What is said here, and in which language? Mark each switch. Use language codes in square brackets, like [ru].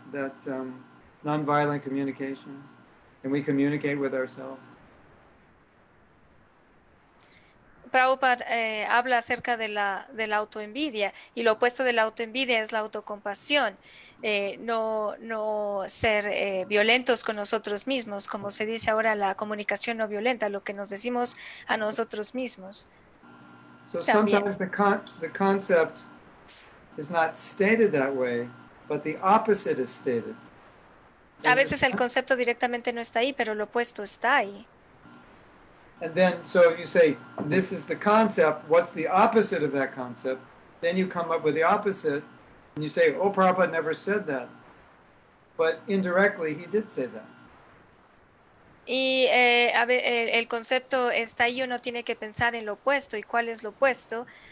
[en] That non-violent communication, and we communicate with ourselves. [es] Prabhupada habla acerca de la autoenvidia, y lo opuesto de la autoenvidia es la autocompasión. No ser violentos con nosotros mismos, como se dice ahora, la comunicación no violenta, lo que nos decimos a nosotros mismos. [en] So sometimes the concept is not stated that way, but the opposite is stated. [es] A veces el concepto directamente no está ahí, pero lo opuesto está ahí. [en] And then, so if you say, this is the concept, what's the opposite of that concept? Then you come up with the opposite, and you say, oh, Prabhupada never said that. But indirectly, he did say that. [es] Y el concepto está ahí, uno tiene que pensar en lo opuesto y cuál es lo opuesto.